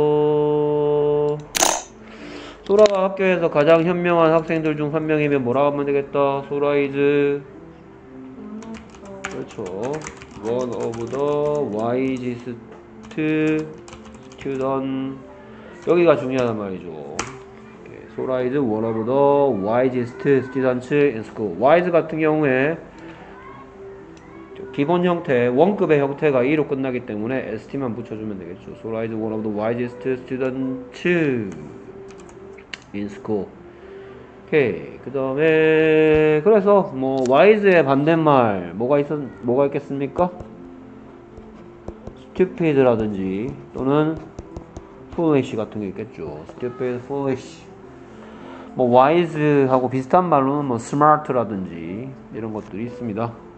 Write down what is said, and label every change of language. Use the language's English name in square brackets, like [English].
[Korean] 그래서 소라가 학교에서 가장 현명한 학생들 중한 명이면 뭐라고 하면 되겠다. 소라 이즈 그렇죠. [English] One of the wisest students. [Korean] 여기가 중요하단 말이죠. 오케이. [English] Sora is one of the wisest students in school. [Korean] Wise 같은 경우에 기본 형태, 원급의 형태가 E로 끝나기 때문에 ST만 붙여주면 되겠죠. [English] So I is one of the wisest students in school. [Korean] 오케이. 그 다음에, 그래서, 뭐, wise의 반대말, 뭐가 있겠습니까? stupid라든지, 또는 foolish 같은 게 있겠죠. stupid, foolish. 뭐, wise하고 비슷한 말로는 뭐, smart라든지, 이런 것들이 있습니다.